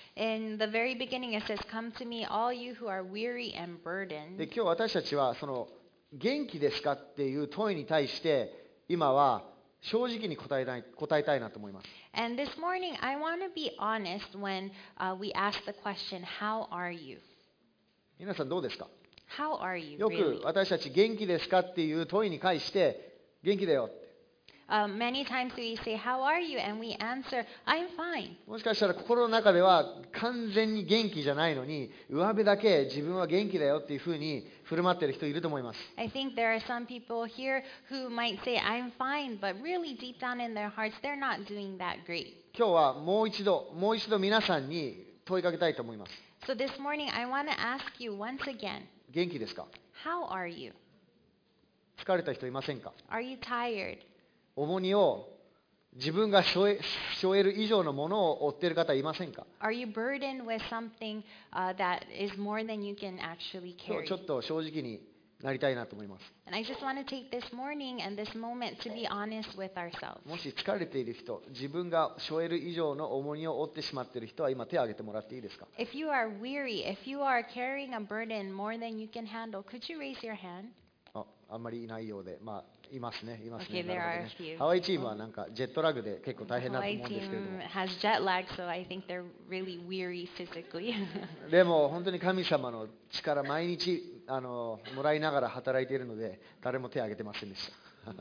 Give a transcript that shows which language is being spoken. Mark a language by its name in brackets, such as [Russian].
[English] In the very beginning, it says, "Come to me, all you who are weary and burdened." [Japanese] で、今日私たちはその元気ですかっていう問いに対して今は正直に答えたいなと思います。 [English] And this morning I want to be honest when we ask the question how are you? [Japanese] 皆さんどうですか? [English] How are you? [Japanese] よく私たち元気ですかっていう問いに対して元気だよ。 [English] Many times we say, "How are you?" and we answer, "I'm fine." [Japanese] もしかしたら心の中では完全に元気じゃないのに、上辺だけ自分は元気だよっていうふうに振る舞ってる人いると思います。 [English] I think there are some people here who might say, "I'm fine," but really deep down in their hearts, they're not doing that great. [Japanese] 今日はもう一度皆さんに問いかけたいと思います。 [English] So this morning, I want to ask you once again. [Japanese] 元気ですか? [English] How are you? [Japanese] 疲れた人いませんか? [English] Are you tired? [Japanese] 重荷を自分が背負える以上のものを負っている方いませんか? [English] Are you burdened with something that is more than you can actually carry? [Japanese] ちょっと正直になりたいなと思います。 [English] And I just want to take this morning and this moment to be honest with ourselves. [Japanese] もし疲れている人、自分が背負える以上の重荷を負ってしまっている人は今手を挙げてもらっていいですか? [English] If you are weary, if you are carrying a burden more than you can handle, could you raise your hand? [Japanese] あんまりいないようで、まあいますね、いますね。 [English] Okay, there are a few. [Japanese] ハワイチームはなんかジェットラグで結構大変だと思うんですけれども。 [English] Hawaii team has jet lag, so I think they're really weary physically. [Japanese] でも本当に神様の力毎日もらいながら働いているので誰も手を挙げてませんでした。